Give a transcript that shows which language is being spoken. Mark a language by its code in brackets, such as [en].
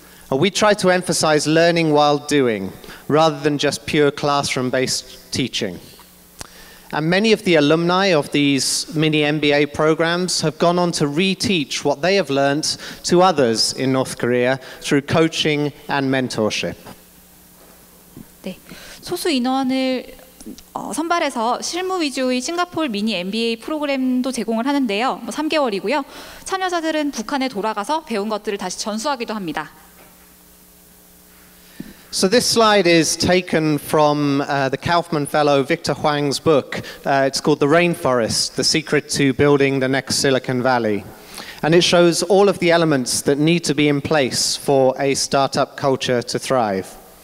[en] We try to emphasize learning while doing, rather than just pure classroom-based teaching. And many of the alumni of these mini MBA programs have gone on to reteach what they have learned to others in North Korea through coaching and mentorship. [ko] 네. 소수 인원을 선발해서 실무 위주의 싱가포르 미니 MBA 프로그램도 제공을 하는데요. 뭐 3개월이고요. 참여자들은 북한에 돌아가서 배운 것들을 다시 전수하기도 합니다. [en] So this slide is taken from the Kaufman fellow Victor Huang's book. It's called The Rainforest, The Secret to Building the Next Silicon Valley. And it shows all of the elements that need to be in place for a startup culture to thrive.